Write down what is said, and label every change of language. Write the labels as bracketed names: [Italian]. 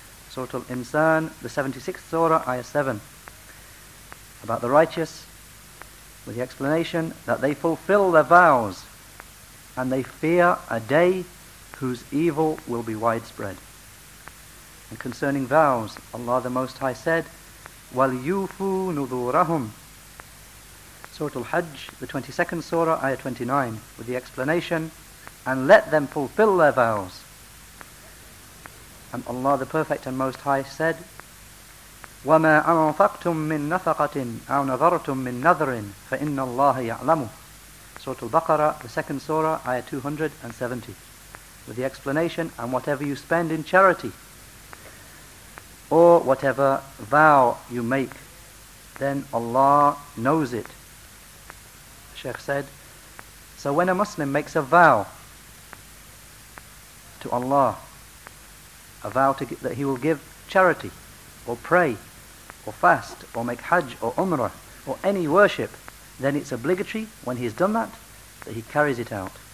[English] Surah Al-Insan, the 76th Surah, Ayah 7, about the righteous, with the explanation that they fulfill their vows and they fear a day whose evil will be widespread. And concerning vows, Allah the Most High said, [Arabic] وَلْيُوفُوا نُذُورَهُمْ. [English] Surah Al-Hajj, the 22nd Surah, Ayah 29, with the explanation, and let them fulfill their vows. And Allah the Perfect and Most High said, [Arabic] وَمَا أَنْفَقْتُمْ مِنْ نَفَقَةٍ أَوْ نَذَرْتُمْ مِنْ نَذْرٍ فَإِنَّ اللَّهَ يَعْلَمُ. [English] Surah Al-Baqarah, the 2nd Surah, Ayah 270, with the explanation, and whatever you spend in charity, or whatever vow you make, then Allah knows it. Sheikh said, so when a Muslim makes a vow to Allah, a vow that he will give charity, or pray, or fast, or make hajj, or umrah, or any worship, then it's obligatory, when he's done that he carries it out.